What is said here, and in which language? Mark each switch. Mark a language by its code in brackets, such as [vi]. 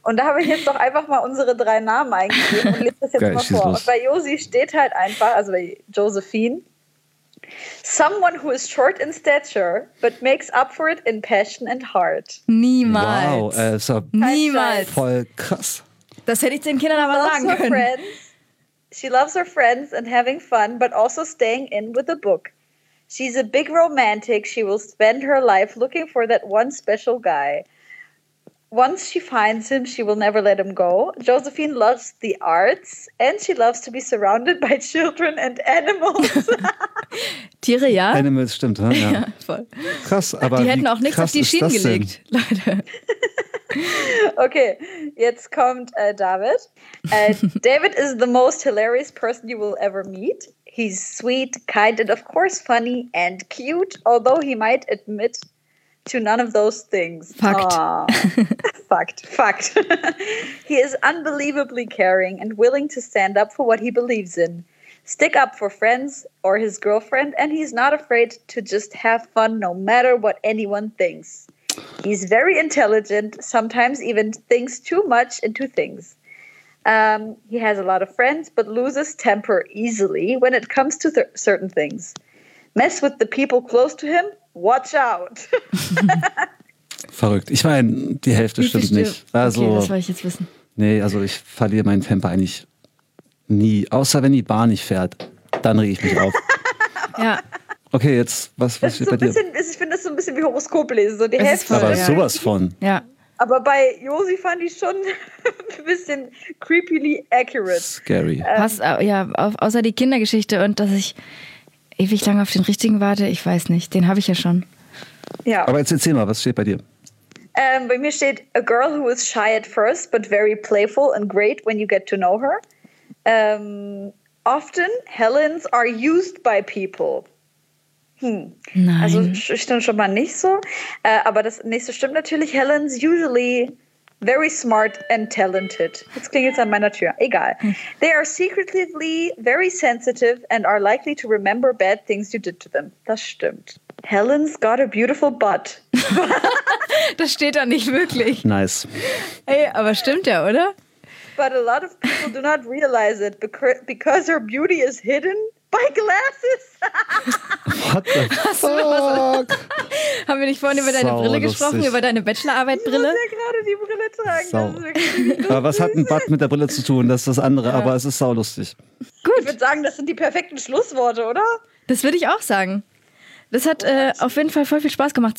[de] Und da habe ich jetzt doch einfach mal unsere 3 Namen eingegeben und lese das jetzt mal vor. Und bei Josi steht halt einfach, also bei Josephine, [en] someone who is short in stature, but makes up for it in passion and heart. [de] Niemals. Wow, also niemals. Voll krass. Das hätte ich den Kindern aber sagen können. [en] She loves her friends and having fun, but also staying in with a book. She's a big romantic. She will spend her life looking for that one special guy. Once she finds him, she will never let him go. Josephine loves the arts and she loves to be surrounded by children and animals. [de] Tiere, ja. Animals, stimmt. Ne? Ja, voll. Krass, aber die hätten auch nichts auf die Schienen gelegt, Leute. Okay, jetzt kommt David. [en] David is the most hilarious person you will ever meet. He's sweet, kind, and of course funny and cute, although he might admit to none of those things. Fucked. He is unbelievably caring and willing to stand up for what he believes in. Stick up for friends or his girlfriend, and he's not afraid to just have fun no matter what anyone thinks. He's very intelligent, sometimes even thinks too much into things. He has a lot of friends, but loses temper easily when it comes to certain things. Mess with the people close to him? Watch out! [de] Verrückt. Ich meine, die Hälfte stimmt nicht. Also, okay, das wollte ich jetzt wissen. Nee, also ich verliere meinen Temper eigentlich nie. Außer wenn die Bahn nicht fährt, dann rege ich mich auf. Ja. Okay, jetzt, was steht bei dir? Ich finde das so ein bisschen wie Horoskop lesen. So die Hälfte. Ist voll, aber sowas von. Ja. Aber bei Josi fand ich schon ein bisschen [en] creepily accurate. Scary. [de] Außer die Kindergeschichte und dass ich ewig lang auf den richtigen warte, ich weiß nicht. Den habe ich ja schon. Ja. Aber jetzt erzähl mal, was steht bei dir? Bei mir steht, [en] a girl who is shy at first, but very playful and great when you get to know her. Often, Helens are used by people. [de] Nein. Also stimmt schon mal nicht so. Aber das nächste stimmt natürlich. [en] Helens usually very smart and talented. [de] Jetzt klingelt es an meiner Tür. Egal. [en] They are secretly very sensitive and are likely to remember bad things you did to them. [de] Das stimmt. [en] Helen's got a beautiful butt. [de] Das steht da nicht wirklich. [en] Nice. [de] Ey, aber stimmt ja, oder? [en] But a lot of people do not realize it because her beauty is hidden by glasses. What the fuck? [de] Haben wir nicht vorhin über deine Brille gesprochen, über deine Bachelorarbeitbrille? Ich muss ja gerade die Brille tragen. Sau. Aber was hat ein Butt mit der Brille zu tun? Das ist das andere, ja. Aber es ist saulustig. Gut. Ich würde sagen, das sind die perfekten Schlussworte, oder? Das würde ich auch sagen. Das hat auf jeden Fall voll viel Spaß gemacht.